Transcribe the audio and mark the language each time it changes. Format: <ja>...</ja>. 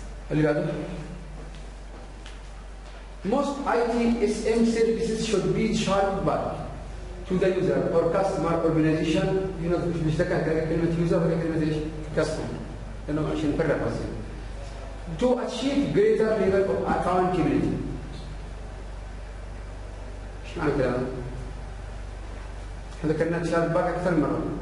<ar>اللي بعده</ar> <en>most IT SM services should be charged back to the user or customer organization. You know,</en> <ar>مش بشتكي على كلمة user ولا كلمة ايش؟ customer. لأنه عشان نفرق بسيط.</ar> <en>To achieve greater level of accountability.</en> <ar>ايش معنى الكلام؟ احنا ذكرنا charged back أكثر مرة.</ar>